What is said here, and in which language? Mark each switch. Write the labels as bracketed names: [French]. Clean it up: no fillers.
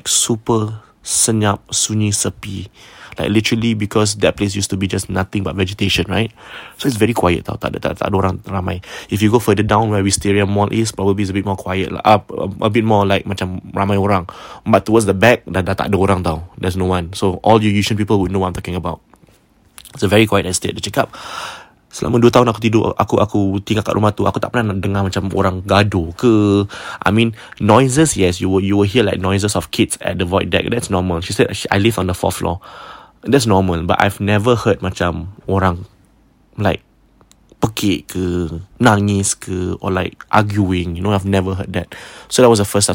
[English] Like super [Malay] senyap, sunyi, sepi. [English] Like literally because that place used to be just nothing but vegetation, right? So it's very quiet tau. [Malay] Tak ada orang ramai. [English] If you go further down where Wisteria Mall is, probably it's a bit more quiet. A bit more like [Malay] macam ramai orang. [English] But towards the back, [Malay] dah tak ada orang tau. [English] There's no one. So all you Yishun people would know what I'm talking about. It's a very quiet estate. [Malay] Dia cakap, selama 2 tahun aku tidur, aku tinggal kat rumah tu, aku tak pernah dengar macam orang gaduh ke. [English] I mean, noises, yes, you will hear like noises of kids at the void deck. That's normal. She said, I live on the 4th floor. That's normal. But I've never heard [Malay] macam orang [English] like [Malay] pekik ke, nangis ke, [English] or like arguing. You know, I've never heard that. So that was the first time.